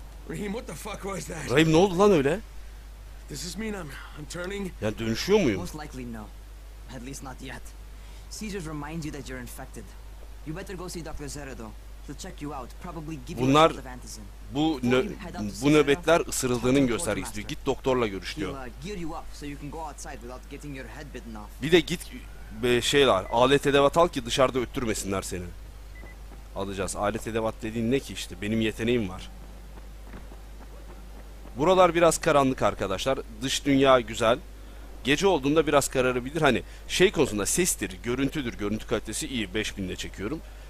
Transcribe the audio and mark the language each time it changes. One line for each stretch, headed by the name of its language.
English: Rahim, what the fuck was that?
Turkish: Rahim, ne oldu lan öyle?
English: This is me, I'm turning.
Turkish: Ya dönüşüyor muyum?
English: Most likely no. At least not yet. Seizures remind you that you're infected. You better go see Dr. Zerado. He'll check you out. Probably give you a little antizin.
Turkish: Bu nöbetler ısırıldığının göstergesi diyor. Git doktorla görüş diyor.
English: Gear you up so you can go outside without getting your head bitten off.
Turkish: Bir de git şeyler, alet edevat al ki dışarıda öttürmesinler seni. Alacağız. Alet edevat dediğin ne ki işte? Benim yeteneğim var. Buralar biraz karanlık arkadaşlar. Dış dünya güzel. Gece olduğunda biraz kararabilir. Hani şey konusunda sestir, görüntüdür. Görüntü kalitesi iyi. 5000 ile çekiyorum.